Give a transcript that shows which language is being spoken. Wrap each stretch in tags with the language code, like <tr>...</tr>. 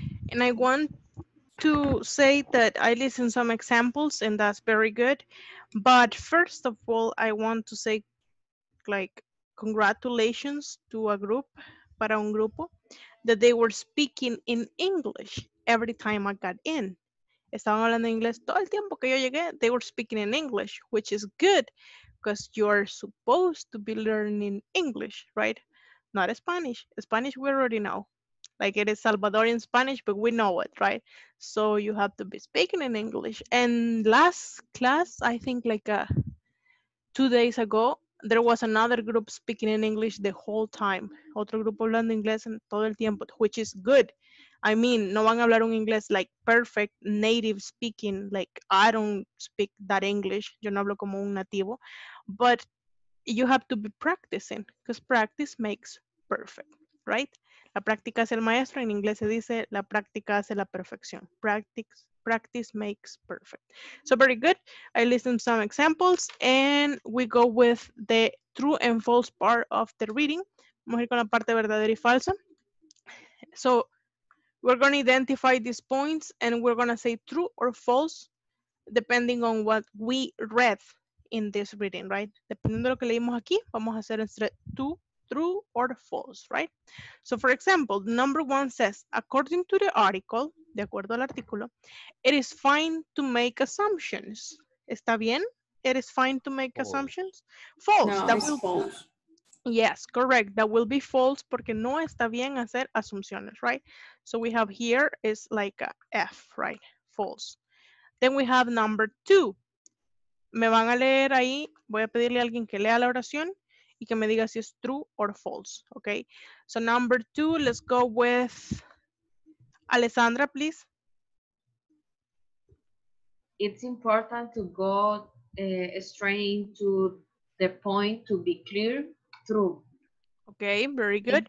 <en>And I want to say that I listened some examples and that's very good. But first of all, I want to say like congratulations to a group,</en> <es>para un grupo,</es> <en>that they were speaking in English every time I got in.</en> <es>Estaban hablando en inglés todo el tiempo que yo llegué.</es> <en>They were speaking in English, which is good because you're supposed to be learning English, right? Not Spanish. Spanish we already know. Like it is Salvadorian Spanish, but we know it, right? So you have to be speaking in English. And last class, I think like 2 days ago, there was another group speaking in English the whole time.</en> <es>Otro grupo hablando inglés en todo el tiempo,</es> <en>which is good. I mean,</en> <es>no van a hablar un inglés</es> <en>like perfect native speaking. Like I don't speak that English.</en> <es>Yo no hablo como un nativo.</es> <en>But you have to be practicing because practice makes perfect, right?</en> <es>La práctica es el maestro. En inglés se dice la práctica hace la perfección.</es> <en>Practice makes perfect. So very good. I listened to some examples and we go with the true and false part of the reading.</en> <es>Vamos a ir con la parte verdadera y falsa.</es> <en>So we're going to identify these points and we're going to say true or false depending on what we read in this reading, right?</en> <es>Dependiendo de lo que leímos aquí, vamos a hacer entre true or false, right?</es> <en>So for example, number one says, according to the article,</en> <es>de acuerdo al artículo,</es> <en>it is fine to make assumptions.</en> <es>¿Está bien?</es> <en>It is fine to make assumptions? False. No, that will false. Yes, correct. That will be false</en> <es>porque no está bien hacer asunciones,</es> <en>right? So we have here is like a F, right? False. Then we have number two.</en> <es>Me van a leer ahí, voy a pedirle a alguien que lea la oración y que me diga si es true or false, okay?</es> <en>So number two, let's go with Alessandra, please. It's important to go straight to the point to be clear, true. Okay, very good.</en>